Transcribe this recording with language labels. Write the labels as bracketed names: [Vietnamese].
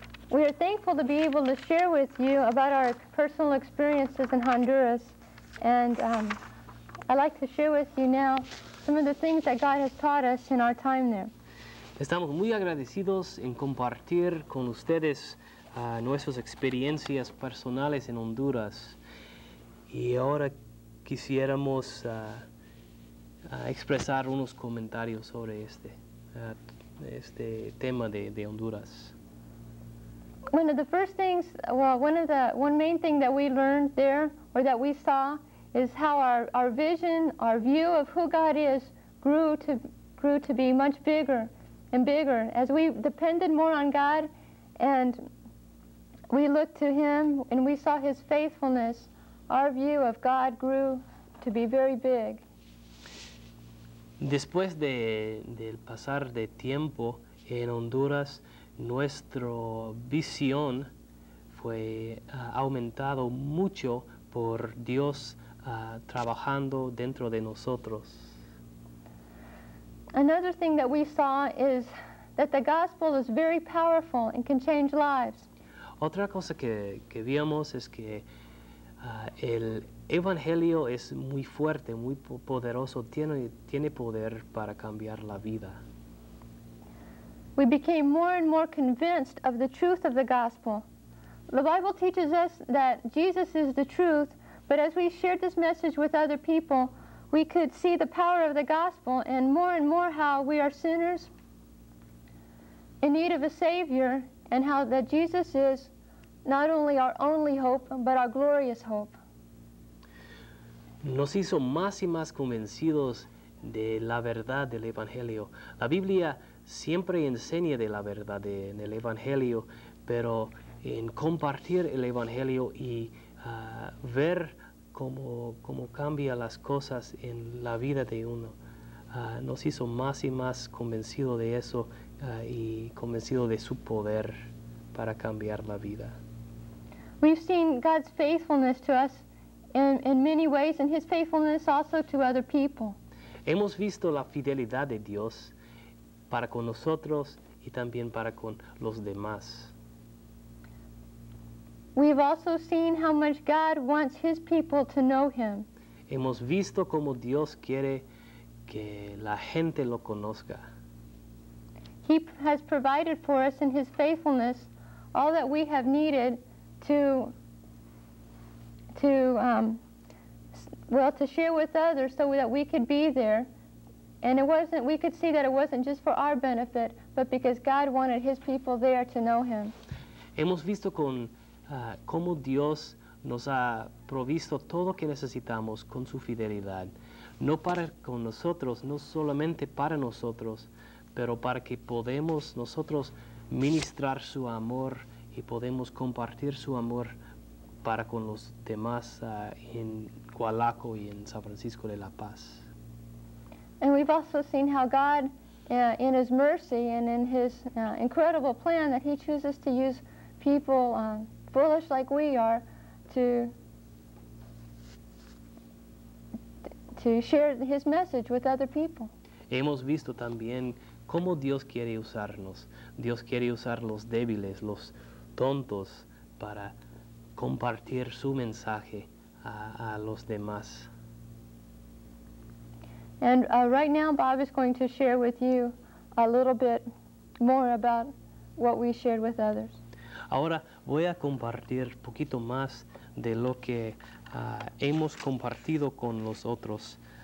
[English] We are thankful to be able to share with you about our personal experiences in Honduras. And I'd like to share with you now some of the things that God has taught us in our time there. [Spanish] Estamos muy agradecidos en compartir con ustedes nuestras experiencias personales en Honduras. Y ahora quisiéramos expresar unos comentarios sobre este tema de Honduras. [English] One of the first things, one main thing that we learned there, or that we saw, is how our vision, our view of who God is, grew to be much bigger and bigger as we depended more on God, and we looked to Him and we saw His faithfulness. Our view of God grew to be very big. [Spanish] Después del pasar de tiempo en Honduras, nuestra visión fue aumentado mucho por Dios trabajando dentro de nosotros. [English] Another thing that we saw is that the gospel is very powerful and can change lives. [Spanish] Otra cosa que vimos es que el evangelio es muy fuerte, muy poderoso, tiene poder para cambiar la vida. [English] We became more and more convinced of the truth of the gospel. The Bible teaches us that Jesus is the truth, but as we shared this message with other people, we could see the power of the gospel and more how we are sinners in need of a Savior, and how that Jesus is not only our only hope, but our glorious hope. [Spanish] Nos hizo más y más convencidos de la verdad del Evangelio. La Biblia siempre enseña de la verdad del Evangelio, pero en compartir el Evangelio y ver cómo cambia las cosas en la vida de uno, nos hizo más y más convencido de eso y convencido de su poder para cambiar la vida. [English] We've seen God's faithfulness to us in many ways, and His faithfulness also to other people. [Spanish] Hemos visto la fidelidad de Dios para con nosotros y también para con los demás. [English] We've also seen how much God wants His people to know Him. [Spanish] Hemos visto cómo Dios quiere que la gente lo conozca. [English] He has provided for us in His faithfulness all that we have needed to share with others so that we could be there. And we could see that it wasn't just for our benefit, but because God wanted His people there to know Him. [Spanish] Hemos visto con cómo Dios nos ha provisto todo lo que necesitamos con su fidelidad. No para con nosotros, no solamente para nosotros, pero para que podamos nosotros ministrar su amor y podemos compartir su amor para con los demás en Gualaco y en San Francisco de la Paz. [English] And we've also seen how God, in His mercy and in His incredible plan, that He chooses to use people foolish like we are to share His message with other people. [Spanish] Hemos visto también cómo Dios quiere usarnos. Dios quiere usar los débiles, los tontos, para compartir su mensaje a los demás. [English] And right now, Bob is going to share with you a little bit more about what we shared with others. [Spanish] Ahora voy a compartir poquito más de lo que hemos compartido con los otros.